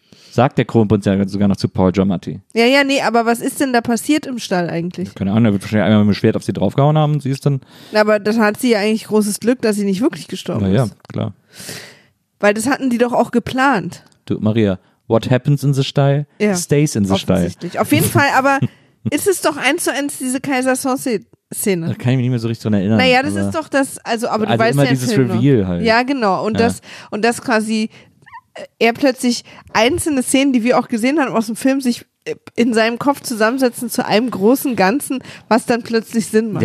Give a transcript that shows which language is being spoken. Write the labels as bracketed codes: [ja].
[de] Sagt der Kronprinz ja sogar noch zu Paul Giamatti. Ja, ja, nee, aber was ist denn da passiert im Stall eigentlich? Keine Ahnung, er wird wahrscheinlich einmal mit dem Schwert auf sie draufgehauen haben, sie ist dann... Na, aber dann hat sie ja eigentlich großes Glück, dass sie nicht wirklich gestorben ist. Naja, klar. Weil das hatten die doch auch geplant. Du, Maria... [en] What happens in the Stall, stays in the Stall. [de] Auf jeden Fall, aber ist es doch eins zu eins diese Kaiser-Sauce-Szene? Da kann ich mich nicht mehr so richtig dran erinnern. Naja, das ist doch das, aber du also weißt immer ja dieses Film Reveal halt. Ja, genau. Und das quasi er plötzlich einzelne Szenen, die wir auch gesehen haben aus dem Film, sich in seinem Kopf zusammensetzen zu einem großen Ganzen, was dann plötzlich Sinn macht.